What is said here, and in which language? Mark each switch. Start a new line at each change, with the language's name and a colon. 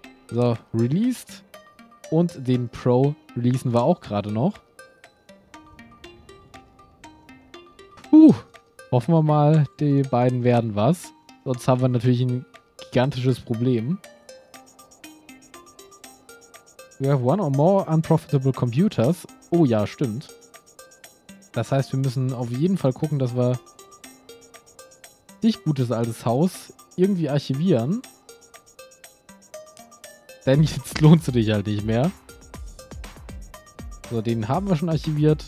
German: So, released. Und den Pro releasen wir auch gerade noch. Hoffen wir mal, die beiden werden was. Sonst haben wir natürlich ein gigantisches Problem.
English: We have one or more unprofitable computers.
German: Oh ja, stimmt. Das heißt, wir müssen auf jeden Fall gucken, dass wir dich, gutes altes Haus, irgendwie archivieren. Denn jetzt lohnst du dich halt nicht mehr. So, den haben wir schon archiviert.